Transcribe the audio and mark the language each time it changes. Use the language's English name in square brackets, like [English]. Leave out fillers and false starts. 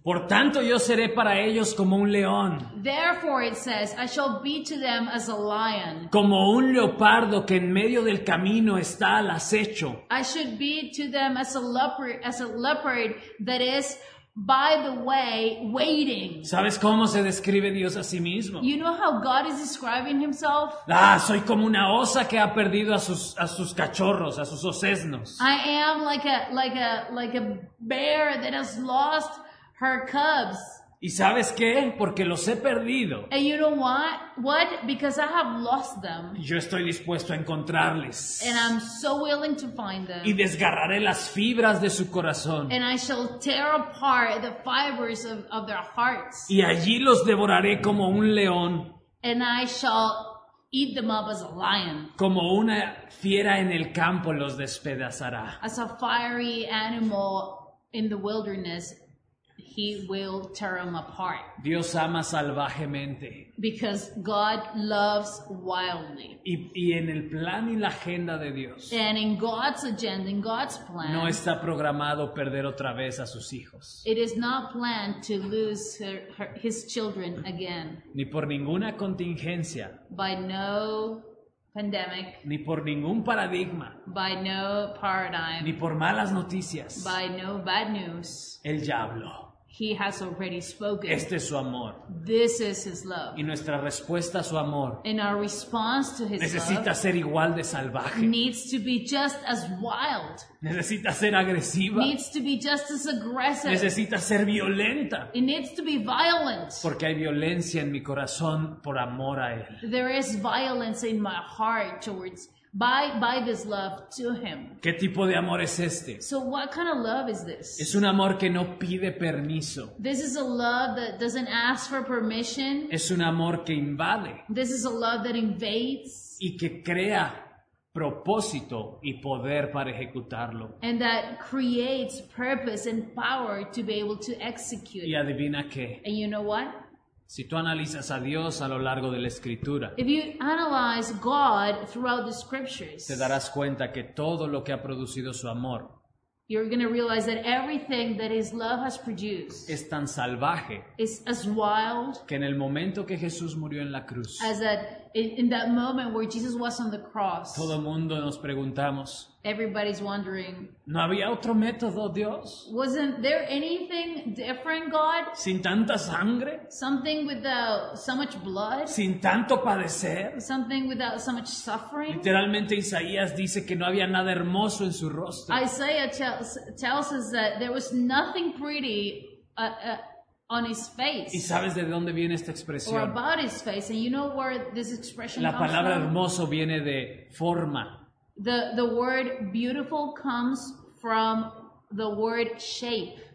[Spanish] Por tanto, yo seré para ellos como un león. [English] Therefore, it says, I shall be to them as a lion. [Spanish] Como un leopardo que en medio del camino está al acecho. [English] I should be to them as a leopard that is, by the way, waiting. [Spanish] ¿Sabes cómo se describe Dios a sí mismo? [English] You know how God is describing himself? [Spanish] Ah, soy como una osa que ha perdido a sus cachorros, a sus osesnos. [English] I am like a bear that has lost her cubs. [Spanish] ¿Y sabes qué? Porque los he perdido. [English] And you know what? What? Because I have lost them. [Spanish] Yo estoy dispuesto a encontrarles. [English] And I'm so willing to find them. [Spanish] Y desgarraré las fibras de su corazón. [English] And I shall tear apart the fibers of their hearts. [Spanish] Y allí los devoraré como un león. [English] And I shall eat them up as a lion. [Spanish] Como una fiera en el campo los despedazará. [English] As a fiery animal in the wilderness, he will tear them apart. [Spanish] Dios ama salvajemente. [English] Because God loves wildly. [Spanish] Y en el plan y la agenda de Dios. [English] And in God's agenda, in God's plan. [Spanish] No está programado perder otra vez a sus hijos. [English] It is not planned to lose his children again. [Spanish] Ni por ninguna contingencia. [English] By no pandemic. [Spanish] Ni por ningún paradigma. [English] By no paradigm. [Spanish] Ni por malas noticias. [English] By no bad news. [Spanish] El ya habló. [English] He has already spoken. [Spanish] Este es su amor. [English] This is his love. [Spanish] Y nuestra respuesta a su amor. [English] And our response to his [Spanish] necesita [English] love [Spanish] ser igual de salvaje. [English] Needs to be just as wild. [Spanish] Necesita ser agresiva. [English] Needs to be just as aggressive. [Spanish] Necesita ser violenta. [English] It needs to be violent. [Spanish] Porque hay violencia en mi corazón por amor a él. [English] There is violence in my heart towards By this love to him. [Spanish] ¿Qué tipo de amor es este? [English] So what kind of love is this? [Spanish] Es un amor que no pide permiso. [English] This is a love that doesn't ask for permission. [Spanish] Es un amor que invade. [English] This is a love that invades. [Spanish] Y que crea propósito y poder para ejecutarlo. [English] And that creates purpose and power to be able to execute. [Spanish] ¿Y adivina qué? [English] And you know what? [Spanish] Si tú analizas a Dios a lo largo de la Escritura, [English] if you analyze God throughout the scriptures, [Spanish] te darás cuenta que todo lo que ha producido su amor, [English] you're going to realize that everything that his love has produced [Spanish] es tan salvaje, [English] is as wild, [Spanish] que en el momento que Jesús murió en la cruz, [English] as that in that moment where Jesus was on the cross, [Spanish] todo el mundo nos preguntamos, [English] everybody's wondering, [Spanish] ¿no había otro método, Dios? [English] Wasn't there anything different, God? [Spanish] ¿Sin tanta sangre? [English] Something without so much blood? [Spanish] ¿Sin tanto padecer? [English] Something without so much suffering? [Spanish] Literalmente, Isaías dice que no había nada hermoso en su rostro. [English] Isaiah tells us that there was nothing pretty on his face. [Spanish] ¿Y sabes de dónde viene esta expresión? [English] Or about his face. And you know where this expression comes from? [Spanish] La palabra hermoso viene de forma. [English] The word beautiful comes from the word shape.